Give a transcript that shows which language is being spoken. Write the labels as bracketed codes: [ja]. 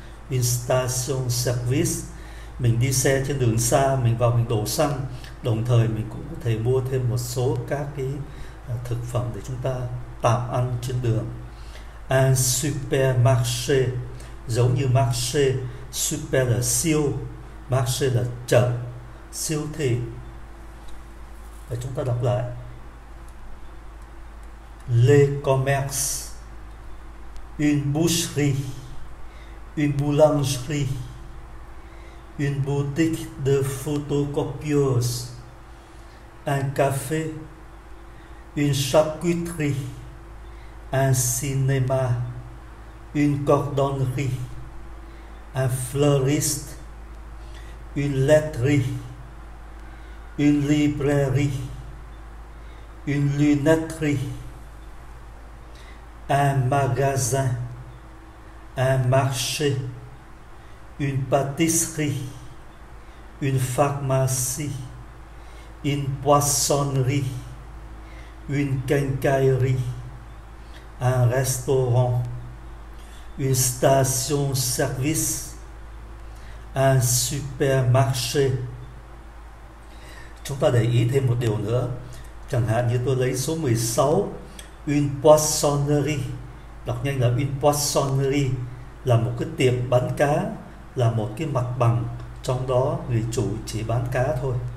[fr] Une station service, [vi] mình đi xe trên đường xa, mình vào mình đổ xăng, đồng thời mình cũng có thể mua thêm một số các cái thực phẩm để chúng ta tạm ăn trên đường. [fr] Un supermarché, [vi] giống như marché, super là siêu, marché là chợ, siêu thị. Và chúng ta đọc lại. [fr] Le commerce, une boucherie, une boulangerie, une boutique de photocopieuse, un café, une charcuterie, un cinéma, une cordonnerie, un fleuriste, une laiterie, une librairie, une lunetterie, un magasin, un marché, une pâtisserie, une pharmacie, une poissonnerie, une quincaillerie, un restaurant, une station service, un supermarché. [vi] Chúng ta để ý thêm một điều nữa. Chẳng hạn như tôi lấy số 16, [fr] une poissonnerie, [vi] đọc nhanh là une poissonnerie, là một cái tiệm bán cá, là một cái mặt bằng, trong đó người chủ chỉ bán cá thôi.